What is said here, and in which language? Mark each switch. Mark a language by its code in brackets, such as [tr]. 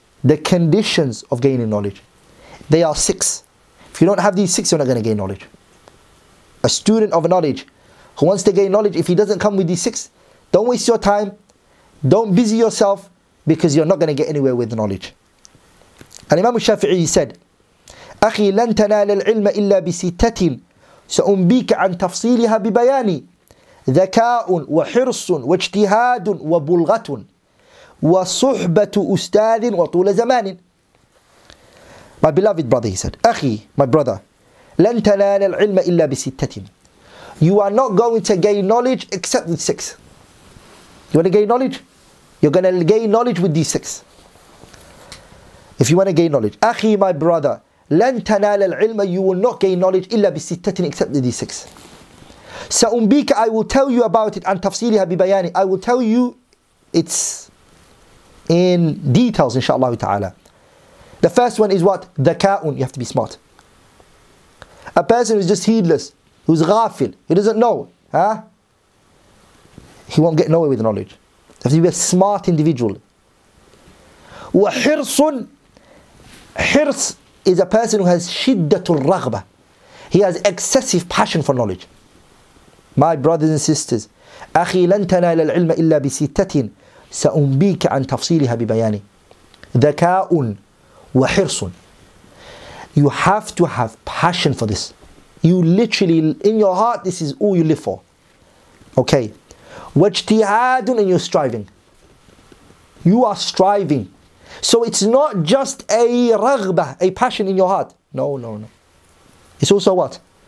[en] The conditions of gaining knowledge. They are six. If you don't have these six, you're not going to gain knowledge. A student of knowledge who wants to gain knowledge, if he doesn't come with these six, don't waste your time. Don't busy yourself because you're not going to get anywhere with knowledge. And Imam al-Shafi'i said, [ar] أخي لن تنال العلم إلا بستة سأنبيك عن تفصيلها ببياني ذكاء وحرص واجتهاد وبلغة وصحبة أستاذ وطول زمان. [en] My beloved brother, he said, [ar] أخي, [en] my brother, [ar] لن تنال العلم إلا بستة. [en] You are not going to gain knowledge except with six. You want to gain knowledge? You're going to gain knowledge with these six. If you want to gain knowledge, [ar] أخي, [en] my brother, [ar] لن تنال العلم, [en] you will not gain knowledge [ar] إلا بستة [en] except with these six. [ar] سأنبيك, [en] I will tell you about it, [ar] عن تفصيلها ببياني, [en] I will tell you it's in details, inshaAllah ta'ala. The first one is what? Dhaka'un, you have to be smart. A person who's just heedless, who's ghafil, who doesn't know, huh? He won't get nowhere with knowledge. You have to be a smart individual. Wa hirsun, hirs is a person who has shiddatul raghba. He has excessive passion for knowledge. My brothers and sisters, [ar] أخي لن تنال العلم إلا بستة سأنبيك عن تفصيلها ببياني ذكاء وحرص. [en] You have to have passion for this. You literally, in your heart, this is all you live for. Okay. [ar] واجتهاد, [en] and you're striving. You are striving. So it's not just a [ar] رغبه, [en] a passion in your heart. No. It's also what?